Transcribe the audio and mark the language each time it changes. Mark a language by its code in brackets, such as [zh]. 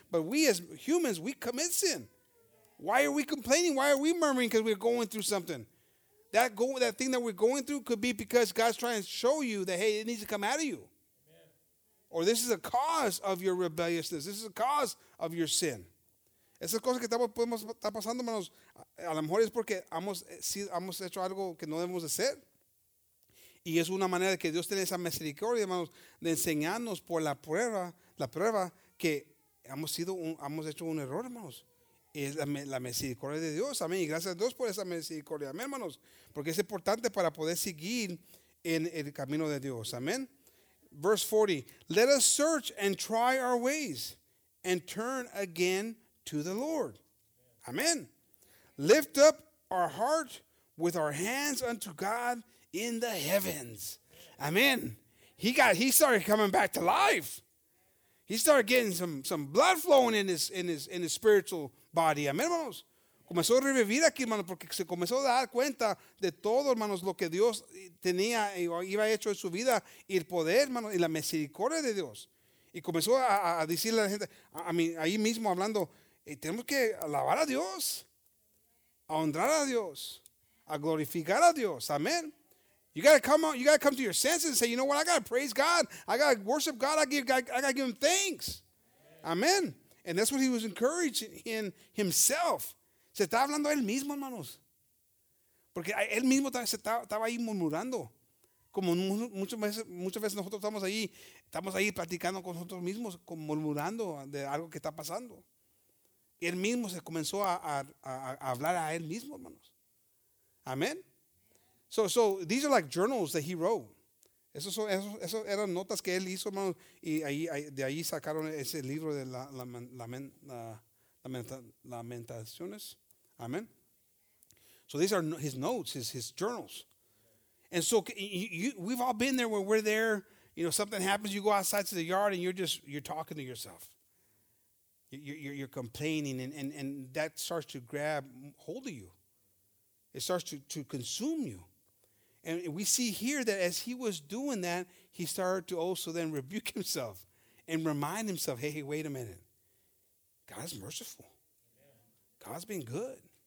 [en] But we as humans, we commit sin. Why are we complaining? Why are we murmuring? Because we're going through something. That thing that we're going through could be because God's trying to show you that, hey, it needs to come out of you. Or this is a cause of your rebelliousness. This is a cause of your sin. [es] Esas cosas que podemos estar pasando, hermanos, a lo mejor es porque hemos hecho algo que no debemos de hacer. Y es una manera que Dios tiene esa misericordia, hermanos, de enseñarnos por la prueba que hemos hecho un error, hermanos. Es la misericordia de Dios. Amén. Y gracias a Dios por esa misericordia. Amén, hermanos. Porque es importante para poder seguir en el camino de Dios. Amén. [en] verse 40, let us search and try our ways and turn again to the Lord. Amen. Lift up our heart with our hands unto God in the heavens. Amen. He started coming back to life. He started getting some blood flowing in his spiritual body. Amen, hermanos. [es] Comenzó a revivir aquí, hermano, porque se comenzó a dar cuenta de todo, hermanos, lo que Dios tenía y iba hecho en su vida, y el poder, hermano, y la misericordia de Dios. Y comenzó a decirle a la gente, ahí mismo hablando, tenemos que alabar a Dios, a honrar a Dios, a glorificar a Dios. Amén. [en] You gotta come out, you gotta come to your senses and say, you know what, I gotta praise God, I gotta worship God, I gotta give him thanks. Amén. And that's what he was encouraging in himself. [es] Se estaba hablando a él mismo, hermanos. Porque él mismo estaba ahí murmurando. Como muchas veces nosotros estamos ahí platicando con nosotros mismos, como murmurando de algo que está pasando. Y él mismo se comenzó a hablar a él mismo, hermanos. Amén. [en] So these are like journals that he wrote. [es] Eso eran notas que él hizo, hermanos. Y de ahí sacaron ese libro de Lamentaciones. [en] Amen. So these are his notes, his journals. And so we've all been there where we're there, you know, something happens, you go outside to the yard and you're talking to yourself. You're complaining and that starts to grab hold of you. It starts to consume you. And we see here that as he was doing that, he started to also then rebuke himself and remind himself, hey, wait a minute. God is merciful. God's been good.